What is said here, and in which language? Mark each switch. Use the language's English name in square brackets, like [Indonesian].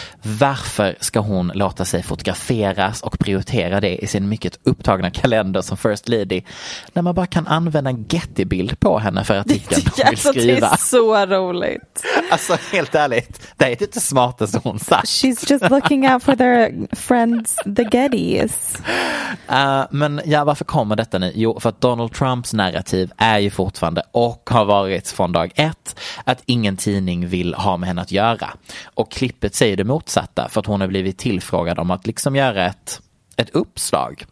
[Swedish] Varför ska hon låta sig fotograferas och prioritera det i sin mycket upptagna kalender som first lady när man bara kan använda en Getty-bild på henne för artikeln hon vill skriva? Det är så roligt. Alltså helt ärligt, det är inte smart som hon sagt. [English] She's just looking out for their friends, the Gettys. [Swedish] Men ja, varför kommer detta nu? Jo, för att Donald Trumps narrativ är ju fortfarande och har varit från dag ett att ingen tidning vill ha med henne att göra. Och klippet säger det motsatta för att hon har blivit tillfrågad om att liksom göra ett uppslag.